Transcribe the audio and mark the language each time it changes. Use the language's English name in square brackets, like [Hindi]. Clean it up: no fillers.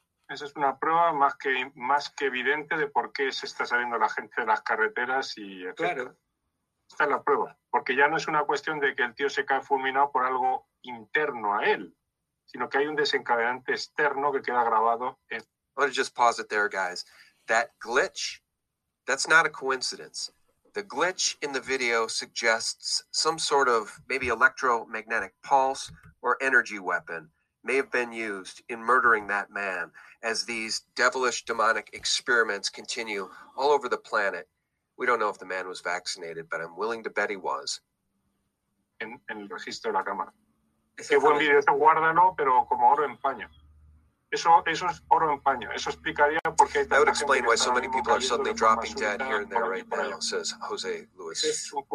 [Spanish] Esa es una prueba más que evidente de por qué se está saliendo la gente de las carreteras y etc. Claro. Esta es la prueba. Porque ya no es una cuestión de que el tío se cae fulminado por algo interno a él, sino que hay un desencadenante externo que queda grabado en... [English] I want to just pause it there, guys. That glitch, that's not a coincidence. The glitch in the video suggests some sort of maybe electromagnetic pulse or energy weapon may have been used in murdering that man as these devilish demonic experiments continue all over the planet. We don't know if the man was vaccinated, but I'm willing to bet he was. [Spanish] En el registro de la cámara. Qué buen vídeo, eso guárdalo, pero como oro en paño. Eso es oro en paño. Eso explicaría por qué. [English] That would explain why so many people are suddenly dropping dead here and there right now, says Jose Luis.